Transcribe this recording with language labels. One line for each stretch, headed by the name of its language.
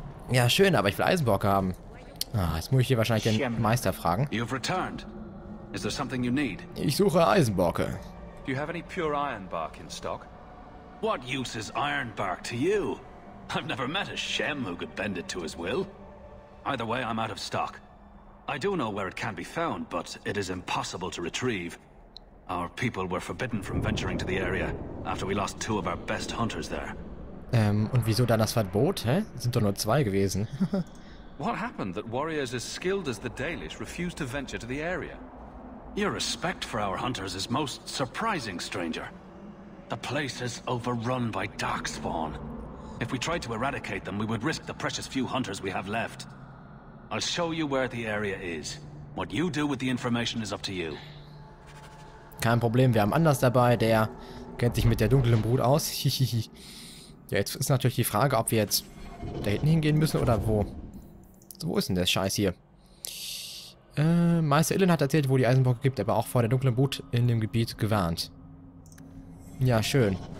German: Ja, schön, aber ich will Eisenborke haben. Ah, jetzt muss ich hier wahrscheinlich den Meister fragen.
English: You've returned. Is there something you need?
German: Ich suche Eisenborke.
English: Do you have any pure iron bark in stock? What use is iron bark to you? I've never met a Shem who could bend it to his will. Either way, I'm out of stock. I do know where it can be found, but it is impossible to retrieve. Our people were forbidden from venturing to the area after we lost two of our best hunters there.
German: Und wieso dann das Verbot, hä? Sind doch nur zwei gewesen.
English: What happened that warriors as skilled as the Dalish refused to venture to the area? Your respect for our hunters is most surprising, stranger. The place is overrun by darkspawn. If we tried to eradicate them, we would risk the precious few hunters we have left. I'll show you where the area is. What you do with the information is up to you.
German: Kein Problem, wir haben Anders dabei, der kennt sich mit der dunklen Brut aus. Ja, jetzt ist natürlich die Frage, ob wir jetzt da hinten hingehen müssen oder wo. Wo ist denn der Scheiß hier? Meister Illyn hat erzählt, wo die Eisenburg gibt, aber auch vor der dunklen Brut in dem Gebiet gewarnt. Ja, schön.